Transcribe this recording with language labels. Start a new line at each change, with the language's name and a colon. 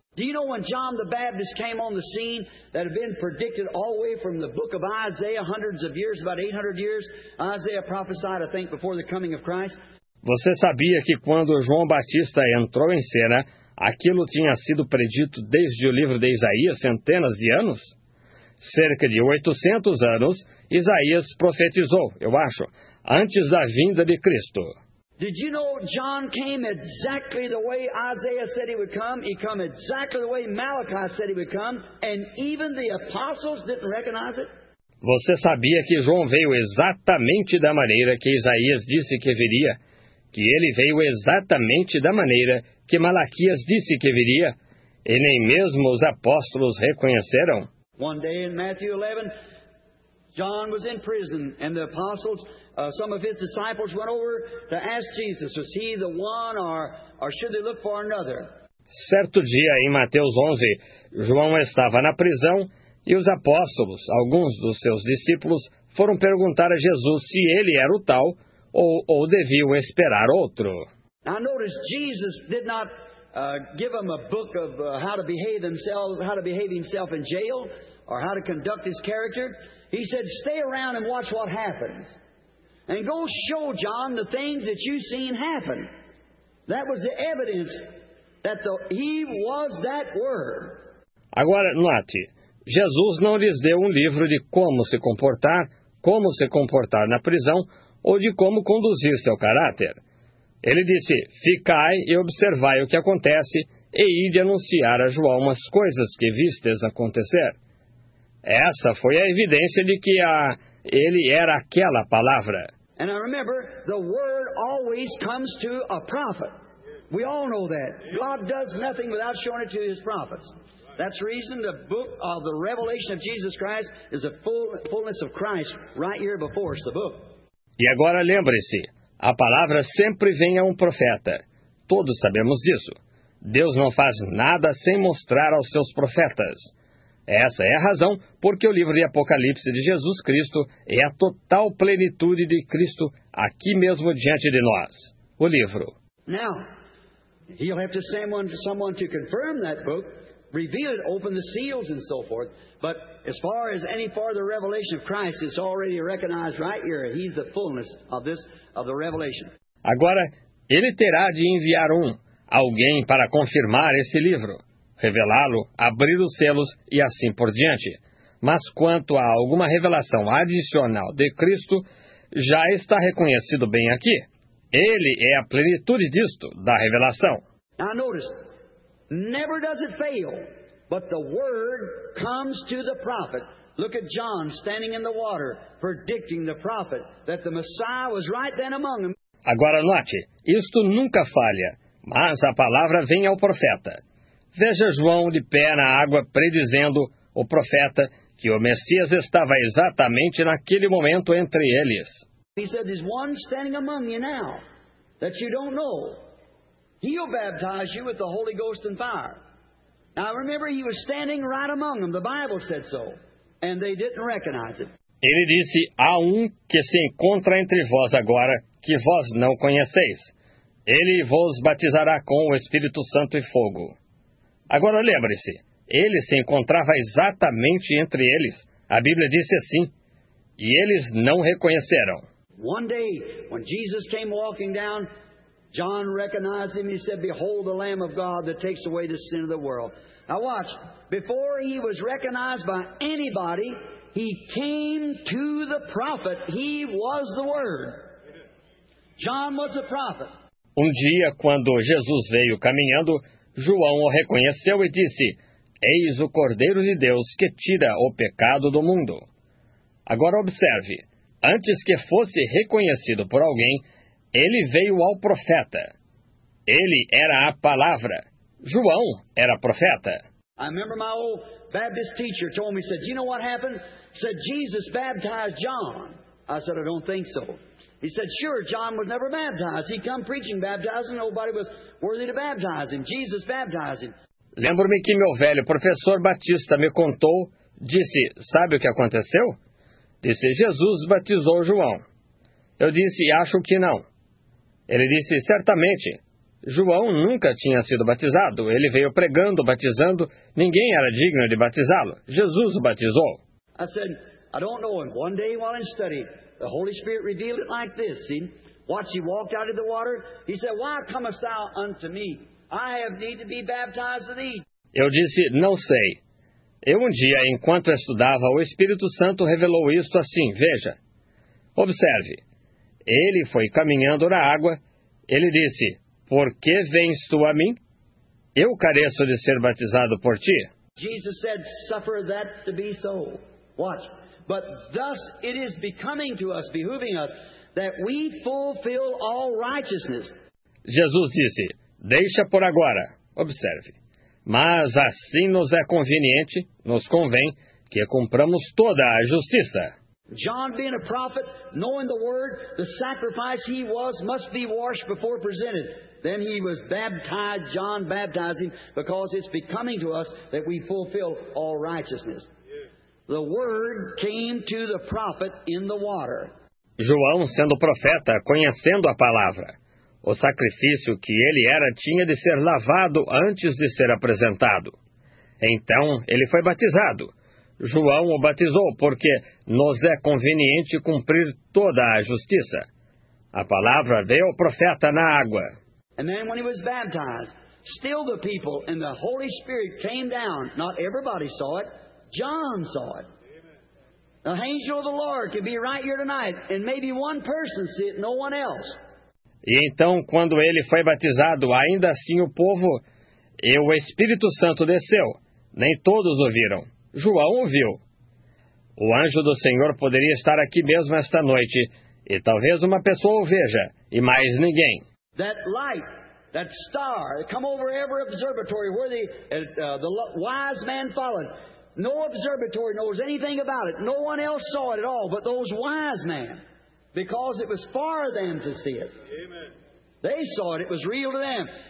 English: Do you know when John the Baptist came on the scene that had been predicted all the way from the book of Isaiah hundreds of years, about 800 years, Isaiah prophesied, I think, before the coming of Christ?
Portuguese: Você sabia que quando João Batista entrou em cena, aquilo tinha sido predito desde o livro de Isaías centenas de anos? Cerca de 800 anos, Isaías profetizou, eu acho, antes da vinda de Cristo.
English: Did you know John came exactly the way Isaiah said he would come? He came exactly the way Malachi said he would come, and even the apostles didn't recognize it?
Portuguese: Você sabia que João veio exatamente da maneira que Isaías disse que viria? Que ele veio exatamente da maneira que Malaquias disse que viria? E nem mesmo os apóstolos reconheceram?
English: One day in Matthew 11, John was in prison, and the apostles, some of his disciples went over to ask Jesus, was he the one, or should they look for another?
Portuguese: Certo dia, em Mateus 11, João estava na prisão, e os apóstolos, alguns dos seus discípulos, foram perguntar a Jesus se ele era o tal, ou deviam esperar outro.
English: I noticed Jesus did not give them a book of how to behave themselves, how to behave himself in jail, or how to conduct his character. He said, stay around and watch what happens. And go show John the things that you've seen happen. That was the evidence that he was that word.
Portuguese: Agora, note, Jesus não lhes deu um livro de como se comportar na prisão, ou de como conduzir seu caráter. Ele disse, ficai e observai o que acontece, e ide anunciar a João as coisas que vistes acontecer. Essa foi a evidência de que ele era aquela palavra.
English: And I remember, the word always comes to a prophet. We all know that. God does nothing without showing it to his prophets. That's the reason the book of the revelation of Jesus Christ is the fullness of Christ right here before us, the book.
Portuguese: E agora lembre-se, a palavra sempre vem a um profeta. Todos sabemos disso. Deus não faz nada sem mostrar aos seus profetas. Essa é a razão porque o livro de Apocalipse de Jesus Cristo é a total plenitude de Cristo aqui mesmo diante de nós. O livro.
English: Now, he'll have to send someone to confirm that book, reveal it, open the seals and so forth. But as far as any further revelation of Christ, it's already recognized right here. He's the fullness of this, of the revelation.
Portuguese: Agora, ele terá de enviar alguém para confirmar esse livro. Revelá-lo, abrir os selos e assim por diante. Mas quanto a alguma revelação adicional de Cristo, já está reconhecido bem aqui. Ele é a plenitude disto, da revelação.
English: I noticed, never does it fail, but the word comes to the prophet. Look at John standing in the water, predicting the prophet that the Messiah was right then among them.
Portuguese: Agora note, isto nunca falha, mas a palavra vem ao profeta. Veja João de pé na água predizendo, o profeta, que o Messias estava exatamente naquele momento entre eles.
English: He said, there's one standing among you now that you don't know. He'll baptize you with the Holy Ghost and fire. Now remember, he was standing right among them. The Bible said so. And they didn't recognize it.
Portuguese: Ele disse, há que se encontra entre vós agora que vós não conheceis. Ele vos batizará com o Espírito Santo e fogo. Agora lembre-se, ele se encontrava exatamente entre eles. A Bíblia disse assim, e eles não reconheceram.
English: One day, when Jesus came walking down, John recognized him. He said, behold the Lamb of God that takes away the sin of the world. Now watch, before he was recognized by anybody, he came to the prophet. He was the Word. John was the prophet.
Portuguese: Dia, quando Jesus veio caminhando, João o reconheceu e disse, eis o Cordeiro de Deus que tira o pecado do mundo. Agora observe, antes que fosse reconhecido por alguém, ele veio ao profeta. Ele era a palavra. João era profeta.
English: I remember my old Baptist teacher told me, said, you know what happened? Said, Jesus baptized John. I said, I don't think so. He said, sure, John was never baptized. He come preaching, baptizing, nobody was worthy to baptize him. Jesus baptized him.
Portuguese: Lembro-me que meu velho professor Batista me contou, disse, sabe o que aconteceu? Disse, Jesus batizou João. Eu disse, acho que não. Ele disse, certamente, João nunca tinha sido batizado. Ele veio pregando, batizando. Ninguém era digno de batizá-lo. Jesus o batizou.
English: I said, I don't know him. One day while in study, the Holy Spirit revealed it like this. See, watch, he walked out of the water. He said, why comest thou unto me? I have need to be baptized of thee.
Portuguese: Eu disse, não sei. Eu um dia, enquanto estudava, o Espírito Santo revelou isto assim, veja. Observe. Ele foi caminhando na água. Ele disse, por que vens tu a mim? Eu careço de ser batizado por ti.
English: Jesus said, suffer that to be so. Watch. But thus it is becoming to us, behooving us, that we fulfill all righteousness.
Portuguese: Jesus disse, deixa por agora. Observe. Mas assim nos é conveniente, nos convém, que cumpramos toda a justiça.
English: John, being a prophet, knowing the word, the sacrifice he was must be washed before presented. Then he was baptized, John baptizing, because it's becoming to us that we fulfill all righteousness. The word came to the prophet in the water.
Portuguese: João, sendo profeta, conhecendo a palavra, o sacrifício que ele era tinha de ser lavado antes de ser apresentado. Então, ele foi batizado. João o batizou porque nos é conveniente cumprir toda a justiça. A palavra veio ao profeta na água.
English: And then when he was baptized, still the people and the Holy Spirit came down. Not everybody saw it. John saw it. The angel of the Lord could be right here tonight and maybe one person see it, no one else.
Portuguese: E então, quando ele foi batizado, ainda assim o povo e o Espírito Santo desceu. Nem todos o viram. João o viu. O anjo do Senhor poderia estar aqui mesmo esta noite, e talvez uma pessoa o veja, e mais ninguém.
English: That light, that star, come over every observatory where the wise man followed. No observatory knows anything about it. No one else saw it at all, but those wise men. Because it was far them to see it. Amen. They saw it. It was real to them.